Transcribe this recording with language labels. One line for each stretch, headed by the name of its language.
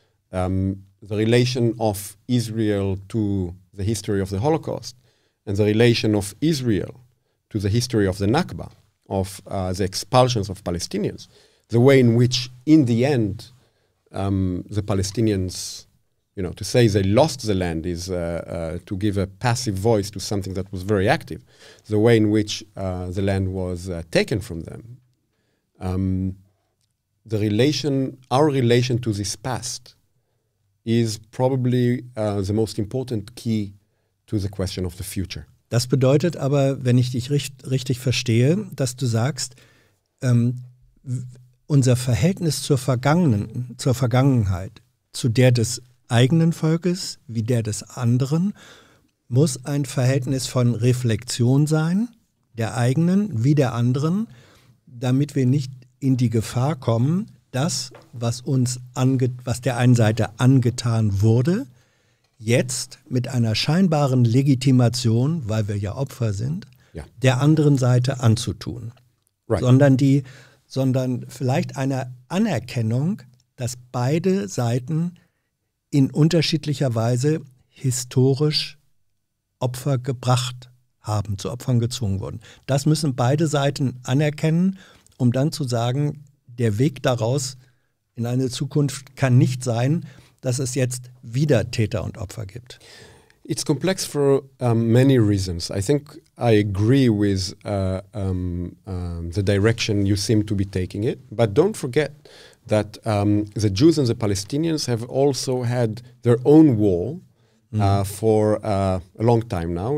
English: The relation of Israel to the history of the Holocaust, and the relation of Israel to the history of the Nakba, of the expulsions of Palestinians, the way in which, in the end, the Palestinians, you know, to say they lost the land is to give a passive voice to something that was very active. The way in which the land was taken from them, the relation, our relation to this past, is probably the most important key to the question of the future.
German: Das bedeutet aber, wenn ich dich richtig verstehe, dass du sagst, unser Verhältnis zur Vergangenheit, zu der des eigenen Volkes wie der des anderen, muss ein Verhältnis von Reflexion sein, der eigenen wie der anderen, damit wir nicht in die Gefahr kommen, das, was uns was der einen Seite angetan wurde, jetzt mit einer scheinbaren Legitimation, weil wir ja Opfer sind, ja, der anderen Seite anzutun.
English: Right.
German: Sondern vielleicht eine Anerkennung, dass beide Seiten in unterschiedlicher Weise historisch Opfer gebracht haben, zu Opfern gezwungen wurden. Das müssen beide Seiten anerkennen, um dann zu sagen, der Weg daraus in eine Zukunft kann nicht sein, dass es jetzt wieder Täter und Opfer gibt.
English: It's complex for many reasons. I think I agree with the direction you seem to be taking it. But don't forget that the Jews and the Palestinians have also had their own war for a long time now.